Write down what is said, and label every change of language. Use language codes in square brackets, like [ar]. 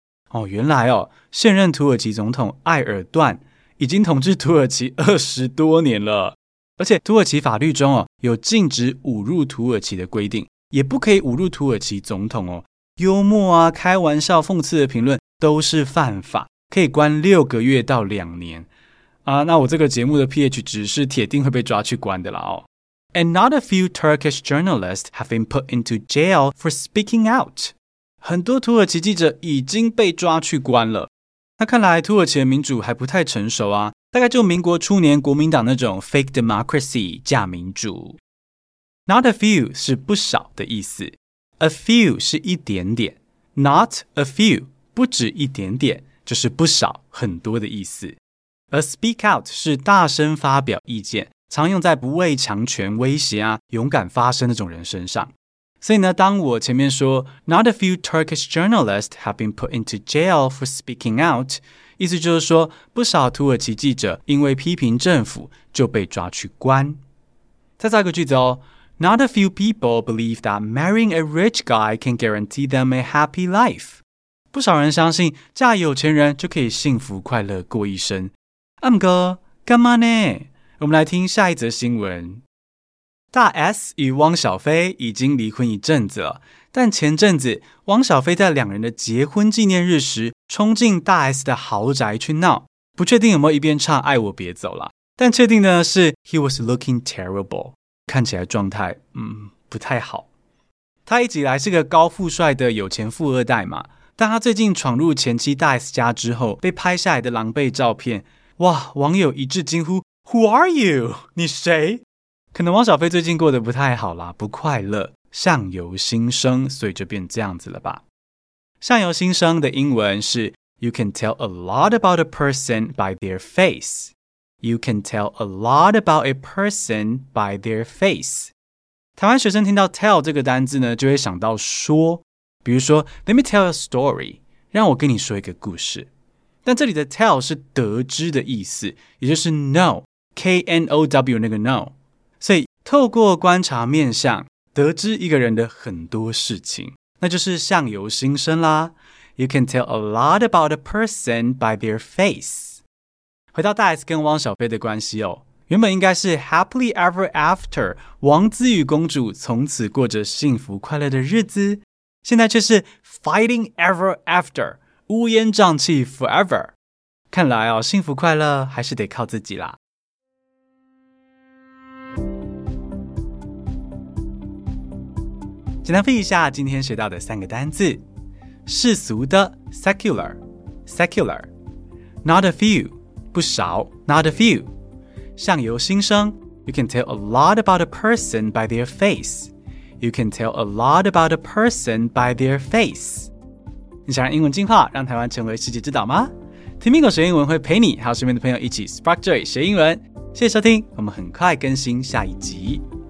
[zh] 哦，原来哦，现任土耳其总统埃尔段已经统治土耳其20多年了，而且土耳其法律中哦有禁止侮辱土耳其的规定，也不可以侮辱土耳其总统哦。幽默啊、开玩笑、讽刺的评论都是犯法，可以关6个月到2年啊。那我这个节目的 pH 值是铁定会被抓去关的啦哦。 [en] And not a few Turkish journalists have been put into jail for speaking out. [zh] 很多土耳其记者已经被抓去关了。那看来土耳其的民主还不太成熟啊，大概就民国初年国民党那种 [en] fake democracy [zh] 假民主。 Not a few 是不少的意思。A few 是一点点。 Not a few, 不止一点点，就是不少很多的意思。 A speak out 是大声发表意见，常用在不畏强权威胁啊、勇敢发声那种人身上。所以呢，当我前面说 [en] Not a few Turkish journalists have been put into jail for speaking out， [zh] 意思就是说不少土耳其记者因为批评政府就被抓去关。再造一个句子哦， [en] Not a few people believe that marrying a rich guy can guarantee them a happy life。 [zh] 不少人相信嫁有钱人就可以幸福快乐过一生。阿姆哥干嘛呢？我们来听下一则新闻。大 S 与汪小菲已经离婚一阵子了，但前阵子汪小菲在两人的结婚纪念日时冲进大 S 的豪宅去闹，不确定有没有一边唱爱我别走啦，但确定呢是 [en] He was looking terrible， [zh] 看起来状态不太好。他一直以来是个高富帅的有钱富二代嘛，但他最近闯入前妻大 S 家之后被拍下来的狼狈照片，哇，网友一致惊呼 [en] Who are you？ [zh] 你谁？可能汪小菲最近过得不太好啦，不快乐，相由心生，所以就变这样子了吧。相由心生的英文是 [en] You can tell a lot about a person by their face。 You can tell a lot about a person by their face. [zh] 台湾学生听到 tell 这个单字呢，就会想到说，比如说 [en] Let me tell a story， [zh] 让我跟你说一个故事。但这里的 tell 是得知的意思，也就是 know， K-N-O-W 那个 know。所以透过观察面相得知一个人的很多事情，那就是相由心生啦。 [en] You can tell a lot about a person by their face。 [zh] 回到大 S 跟汪小菲的关系哦，原本应该是 [en] Happily ever after， [zh] 王子与公主从此过着幸福快乐的日子，现在却是 [en] Fighting ever after， [zh] 乌烟瘴气 forever。看来哦，幸福快乐还是得靠自己啦。简单复习一下今天学到的三个单字：世俗的 [en] secular， secular， not a few， 不少， not a few， 相由心生， you can tell a lot about a person by their face， you can tell a lot about a person by their face。 [zh] 你想让英文进化，让台湾成为世界之岛吗？听苹果学英文会陪你还有身边的朋友一起 Spark Joy 学英文。谢谢收听，我们很快更新下一集。